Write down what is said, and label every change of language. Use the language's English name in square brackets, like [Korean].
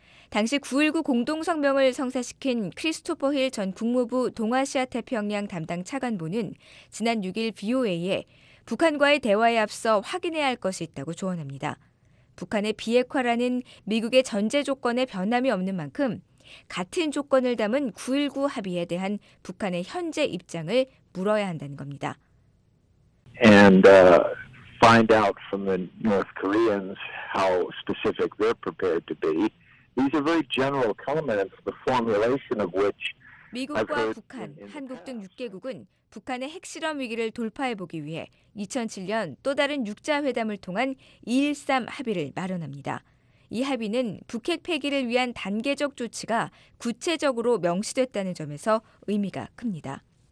[Korean] 당시 9.19 공동성명을 성사시킨 크리스토퍼 힐 전 국무부 동아시아태평양 담당 차관보는 지난 6일 BOA에 북한과의 대화에 앞서 확인해야 할 것이 있다고 조언합니다. 북한의 비핵화라는 미국의 전제 조건에 변함이 없는 만큼 같은 조건을 담은 9.19 합의에 대한 북한의 현재 입장을 물어야 한다는 겁니다. [English] And find out from the North Koreans how specific they're prepared to be. These are very general comments, the formulation of which. [Korean] 미국과 북한, 한국 등 6개국은 북한의 핵실험 위기를 돌파해보기 위해 2007년 또 다른 6자회담을 통한 2.13 합의를 마련합니다. 이 합의는 북핵 폐기를 위한 단계적 조치가 구체적으로 명시됐다는 점에서 의미가 큽니다.